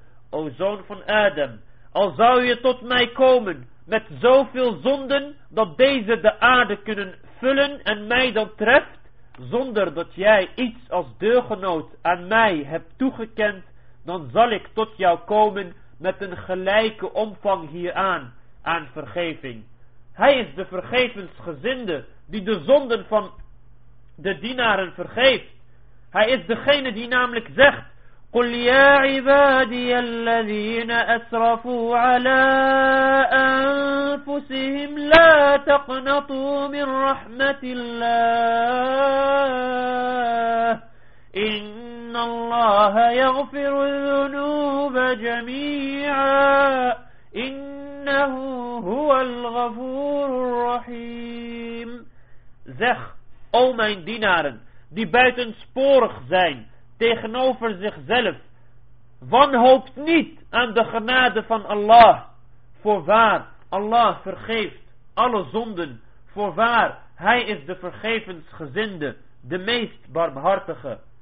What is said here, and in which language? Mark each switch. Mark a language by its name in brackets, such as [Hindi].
[Dutch] O zoon van Adam, al zou je tot mij komen met zoveel zonden, dat deze de aarde kunnen vullen en mij dan treft, zonder dat jij iets als deugenoot aan mij hebt toegekend, dan zal ik tot jou komen met een gelijke omvang hieraan, aan vergeving. Hij is de vergevensgezinde die de zonden van de dienaren vergeeft. Hij is degene die namelijk zegt, [Arabic] قُلْ يَا عِبَادِيَ الَّذِينَ أَسْرَفُوا عَلَىٰ أَنفُسِهِمْ لَا تَقْنَطُوا مِنْ رَحْمَةِ اللَّهِ إِنَّ اللَّهَ يَغْفِرُ الذُّنُوبَ جَمِيعًا إِنَّهُ هُوَ الْغَفُورُ الرَّحِيمُ. [Dutch] Zeg, o mijn dienaren, die buitensporig zijn tegenover zichzelf, wanhoopt niet aan de genade van Allah. Voorwaar, Allah vergeeft alle zonden. Voorwaar, Hij is de vergevensgezinde, de meest barmhartige.